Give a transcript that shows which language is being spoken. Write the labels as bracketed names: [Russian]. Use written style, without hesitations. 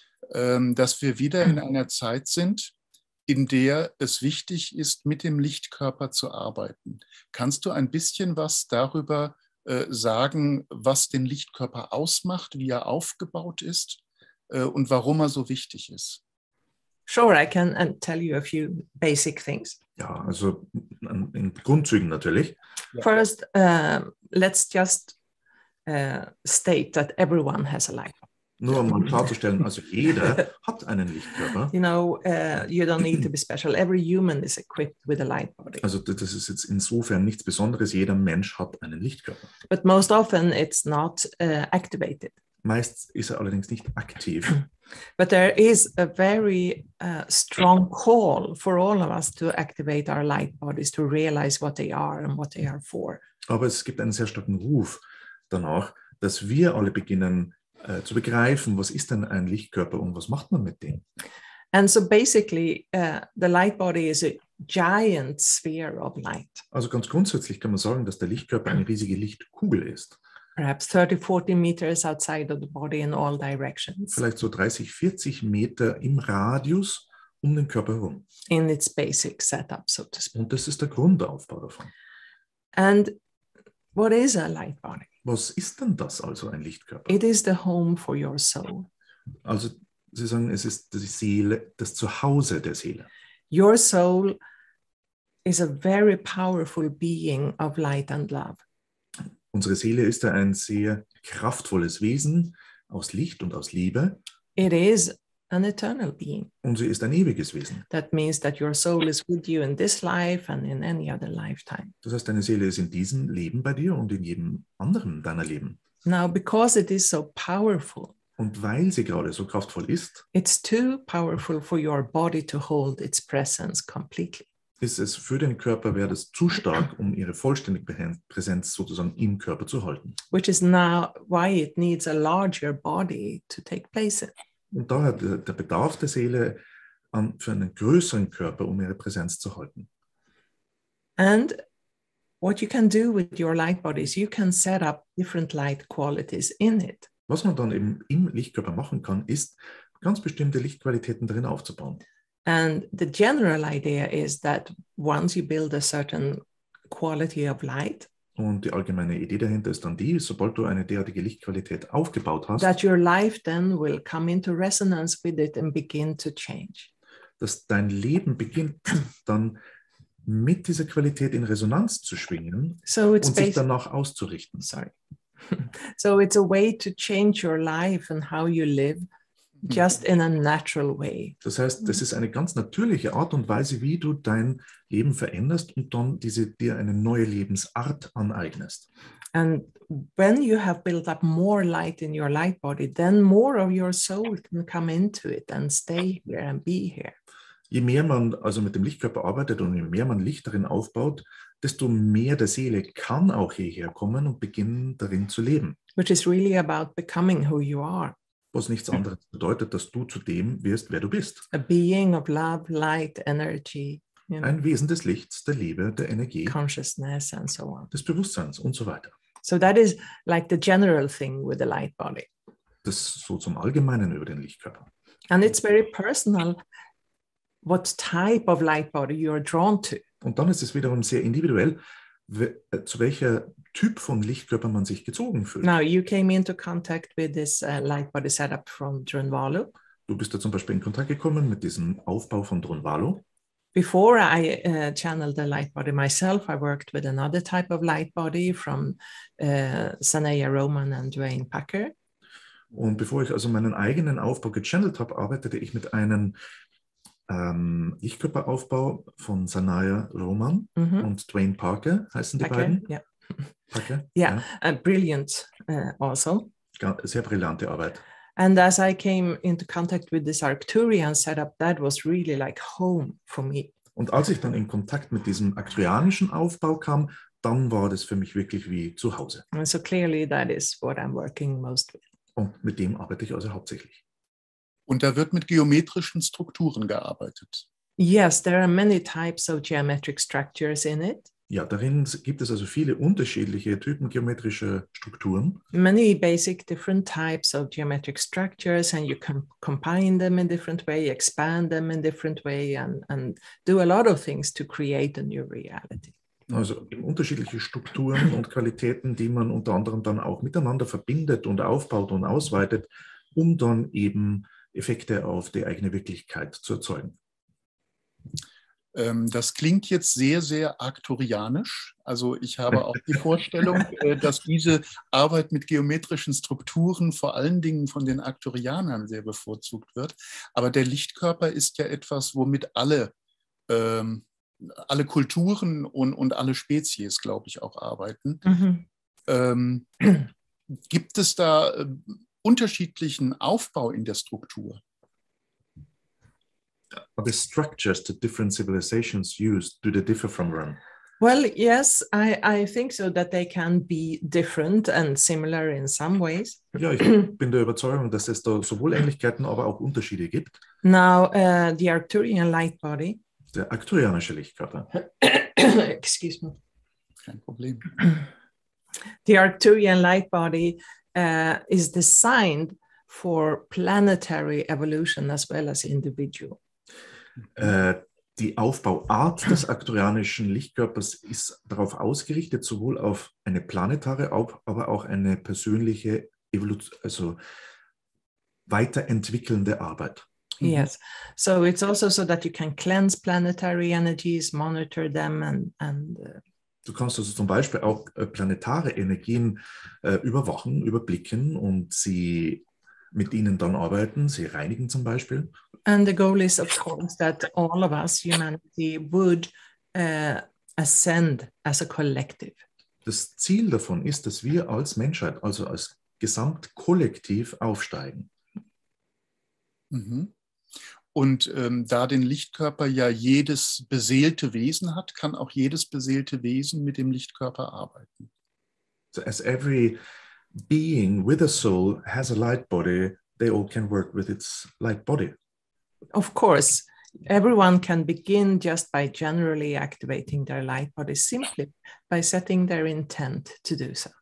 [German] Dass wir wieder in einer Zeit sind, in der es wichtig ist, mit dem Lichtkörper zu arbeiten. Kannst du ein bisschen was darüber sagen, was den Lichtkörper ausmacht, wie er aufgebaut ist und warum er so wichtig ist? [English] Sure, I can tell you a few basic things. [German] Ja, also in Grundzügen natürlich. [English] First, let's just state that everyone has a light. [German] Nur um klarzustellen, also jeder hat einen Lichtkörper. [English] You know, you don't need to be special. Every human is equipped with a light body. [German] Also das ist jetzt insofern nichts Besonderes. Jeder Mensch hat einen Lichtkörper. [English] But most often it's not activated. [German] Meist ist er allerdings nicht aktiv. [English] But there is a very strong call for all of us to activate our light bodies, to realize what they are and what they are for. [German] Aber es gibt einen sehr starken Ruf danach, dass wir alle beginnen zu begreifen, was ist denn ein Lichtkörper und was macht man mit dem? [English] And so basically, the light body is a giant sphere of light. [German] Also ganz grundsätzlich kann man sagen, dass der Lichtkörper eine riesige Lichtkugel ist. [English] Perhaps 30, 40 meters outside of the body in all directions. [German] Vielleicht so 30, 40 Meter im Radius um den Körper herum. [English] In its basic setup, so to speak. [German] Und das ist der Grundaufbau davon. [English] And what is a light body? [German] Was ist denn das also ein Lichtkörper? [English] It is the home for your soul. [German] Also Sie sagen, es ist die Seele, das Zuhause der Seele. [English] Your soul is a very powerful being of light and love. [German] Unsere Seele ist ein sehr kraftvolles Wesen aus Licht und aus Liebe. [English] It is an eternal being. [German] Und sie ist ein ewiges Wesen. [English] That means that your soul is with you in this life and in any other lifetime. [German] Das heißt, deine Seele ist in diesem Leben bei dir und in jedem anderen deiner Leben. [English] Now, because it is so powerful. [German] Und weil sie gerade so kraftvoll ist. [English] It's too powerful for your body to hold its presence completely. [German] Ist es für den Körper, wäre das zu stark, um ihre vollständige Präsenz sozusagen im Körper zu halten. [English] Which is now why it needs a larger body to take place in. [German] Und daher der Bedarf der Seele für einen größeren Körper, um ihre Präsenz zu halten. [English] And what you can do with your light body is you can set up different light qualities in it. [German] Was man dann eben im Lichtkörper machen kann, ist ganz bestimmte Lichtqualitäten darin aufzubauen. [English] And the general idea is that once you build a certain quality of light, [German] und die allgemeine Idee dahinter ist dann die, sobald du eine derartige Lichtqualität aufgebaut hast, [English] that your life then will come into resonance with it and begin to change. [German] Dass dein Leben beginnt dann mit dieser Qualität in Resonanz zu schwingen, [English] so it's [German] und sich danach auszurichten. [English] Sorry. So it's a way to change your life and how you live. Just in a natural way. [German] Das heißt, das ist eine ganz natürliche Art und Weise, wie du dein Leben veränderst und dann dir eine neue Lebensart aneignest. [English] And when you have built up more light in your light body, then more of your soul can come into it and stay here and be here. [German] Je mehr man also mit dem Lichtkörper arbeitet und je mehr man Licht darin aufbaut, desto mehr der Seele kann auch hierher kommen und beginnen darin zu leben. [English] Which is really about becoming who you are. [German] Was nichts anderes bedeutet, dass du zu dem wirst, wer du bist. [English] A being of love, light, energy. You know. [German] Ein Wesen des Lichts, der Liebe, der Energie. [English] Consciousness and so on. [German] Des Bewusstseins und so weiter. [English] So that is like the general thing with the light body. [German] Das so zum Allgemeinen über den Lichtkörper. [English] And it's very personal, what type of light body you are drawn to. [German] Und dann ist es wiederum sehr individuell, zu welcher Typ von Lichtkörper man sich gezogen fühlt. [English] Now you came into contact with this light body setup from Drunvalo. [German] Du bist da zum Beispiel in Kontakt gekommen mit diesem Aufbau von Drunvalo. [English] Before I channeled the light body myself, I worked with another type of light body from Sanaya Roman and Dwayne Packer. [German] Und bevor ich also meinen eigenen Aufbau gechannelt habe, arbeitete ich mit einem Lichtkörperaufbau von Sanaya Roman und Dwayne Parker heißen die Packer, beiden. [English] Yeah. Okay. Yeah, yeah. Brilliant also. [German] Sehr brillante Arbeit. [English] And as I came into contact with this Arcturian setup, that was really like home for me. [German] Und als ich dann in Kontakt mit diesem arcturianischen Aufbau kam, dann war das für mich wirklich wie zu Hause. [English] And so clearly that is what I'm working most with. [German] Und mit dem arbeite ich also hauptsächlich. Und da wird mit geometrischen Strukturen gearbeitet. [English] Yes, there are many types of geometric structures in it. [German] Ja, darin gibt es also viele unterschiedliche Typen geometrischer Strukturen. [English] Many basic different types of geometric structures and you can combine them in different way, expand them in different way and do a lot of things to create a new reality. [German] Also unterschiedliche Strukturen und Qualitäten, die man unter anderem dann auch miteinander verbindet und aufbaut und ausweitet, um dann eben Effekte auf die eigene Wirklichkeit zu erzeugen. Das klingt jetzt sehr, sehr arcturianisch. Also ich habe auch die Vorstellung, dass diese Arbeit mit geometrischen Strukturen vor allen Dingen von den Arcturianern sehr bevorzugt wird. Aber der Lichtkörper ist ja etwas, womit alle Kulturen und alle Spezies, glaube ich, auch arbeiten. Mhm. Gibt es da unterschiedlichen Aufbau in der Struktur? [English] Are the structures that different civilizations use, do they differ from them? Well, yes, I think so, that they can be different and similar in some ways. [German] Ja, ich bin der Überzeugung, dass es da sowohl Ähnlichkeiten, aber auch Unterschiede gibt. [English] Now, the Arcturian light body. [German] Der arcturianische Lichtkörper. [English] Excuse me. [German] Kein Problem. [English] The Arcturian light body is designed for planetary evolution as well as individual. [German] Die Aufbauart des arcturianischen Lichtkörpers ist darauf ausgerichtet, sowohl auf eine planetare, aber auch eine persönliche Evolution, also weiterentwickelnde Arbeit. [English] Yes, so it's also so that you can cleanse planetary energies, monitor them [German] Du kannst also zum Beispiel auch planetare Energien überwachen, überblicken und sie mit ihnen dann arbeiten, sie reinigen zum Beispiel. [English] And the goal is, of course, that all of us, humanity, would ascend as a collective. [German] Das Ziel davon ist, dass wir als Menschheit, also als Gesamtkollektiv, aufsteigen. Mhm. Und da den Lichtkörper ja jedes beseelte Wesen hat, kann auch jedes beseelte Wesen mit dem Lichtkörper arbeiten. [English] So as every being with a soul has a light body, they all can work with its light body. Of course, everyone can begin just by generally activating their light body, simply by setting their intent to do so.